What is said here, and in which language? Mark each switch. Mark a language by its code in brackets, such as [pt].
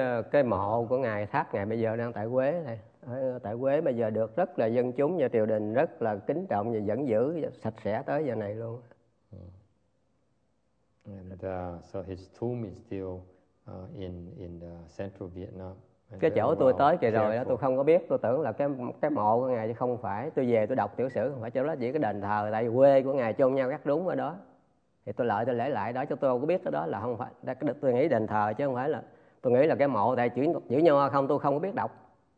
[vi] cái mộ của ngài, tháp ngài bây giờ đang tại Quế này. Tại Quế bây giờ được rất là dân chúng và triều đình rất là kính trọng và vẫn giữ sạch sẽ tới giờ này luôn. [en] And so his tomb is still in the central Vietnam. [vi] Cái chỗ tôi tới kìa rồi đó, tôi không có biết, tôi tưởng là cái mộ của ngài chứ không phải. Tôi về tôi đọc tiểu sử không phải chỗ đó, chỉ cái đền thờ tại quê của ngài chôn nhau rất đúng ở đó. Thì tôi lại tôi lễ lại đó cho tôi không có biết cái đó là không phải. Tôi nghĩ đền thờ chứ không phải là tôi nghĩ là cái mộ tại chữ nho không, tôi không có biết đọc.